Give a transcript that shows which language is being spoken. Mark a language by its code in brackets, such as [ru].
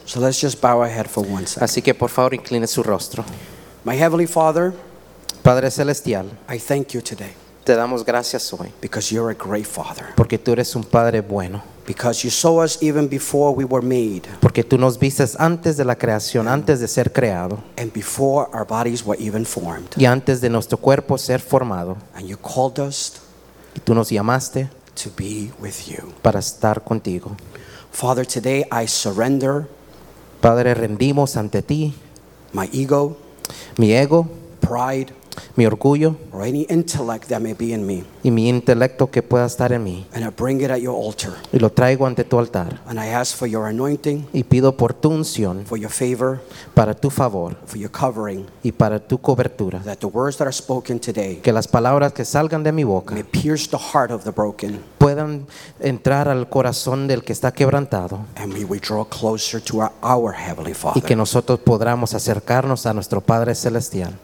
[en] So let's just bow our head for one second. [es] Así que por favor incline su rostro. [en] My Heavenly Father, [es] Padre Celestial, [en] I thank you today. [es] Te damos gracias hoy. [en] Because you're a great Father. [es] Porque tú eres un Padre bueno. [en] Because you saw us even before we were made. [es] Porque tú nos viste antes de la creación, antes de ser creado. [en] And before our bodies were even formed. [es] Y antes de nuestro cuerpo ser formado. [en] And you called us. [es] Y tú nos llamaste. [en] To be with you. [es] Para estar contigo. [en] Father, today I surrender. [es] Padre, rendimos ante ti. [en] My ego. [es] Mi ego. [en] Pride. [es] Mi orgullo. [en] Or any intellect that may be in me. [es] Y mi intelecto que pueda estar en mí. [en] And I bring it at your altar. [es] Y lo traigo ante tu altar. [en] And I ask for your anointing. [es] Y pido por tu unción. [en] For your favor. [es] Para tu favor. [en] For your covering. [es] Y para tu cobertura. [en] That the words that are spoken today. [es] Que las palabras que salgan de mi boca. [en] May pierce the heart of the broken. [es] Puedan entrar al corazón del que está quebrantado. [en] And may we draw closer to our Heavenly Father. [es] Y que nosotros podamos acercarnos a nuestro Padre Celestial.